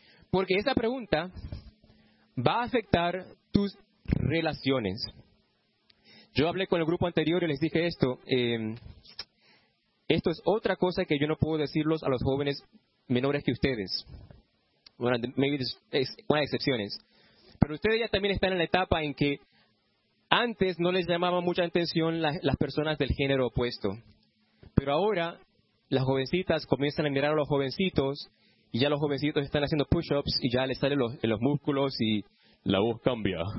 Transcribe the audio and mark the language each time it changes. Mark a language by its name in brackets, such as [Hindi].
[Spanish] Porque esa pregunta va a afectar tus relaciones. Yo hablé con el grupo anterior y les dije esto. Esto es otra cosa que yo no puedo decirlos a los jóvenes menores que ustedes. [English] Bueno, maybe this is one of the excepciones. [Spanish] Pero ustedes ya también están en la etapa en que antes no les llamaba mucha atención las personas del género opuesto. Pero ahora las jovencitas comienzan a mirar a los jovencitos y ya los jovencitos están haciendo push-ups y ya les salen los músculos y la voz cambia.